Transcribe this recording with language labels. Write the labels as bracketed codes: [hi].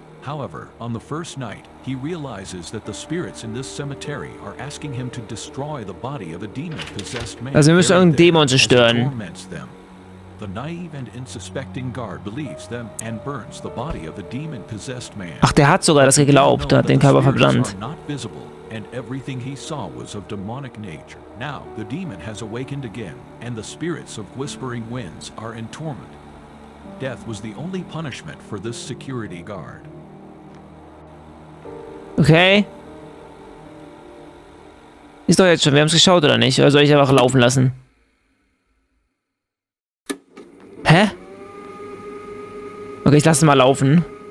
[en] However, on the first night, he realizes that the spirits in this cemetery are asking him to destroy the body of a demon-possessed man. [de] Also, wir müssen irgendeinen Dämon zerstören. [en] The naive and unsuspecting guard believes them and burns the body of a demon-possessed man. [de] Ach, der hat sogar das geglaubt, der hat den Körper verbrannt. [en] Not visible, and everything he saw was of demonic nature. Now, the demon has awakened again, and the spirits of Whispering Winds are in torment. Death was the only punishment for this security guard. [de] Okay. Ist doch jetzt schon, wir haben es geschaut, oder nicht? Oder soll ich einfach laufen lassen? Hä? Okay, ich lass es mal laufen.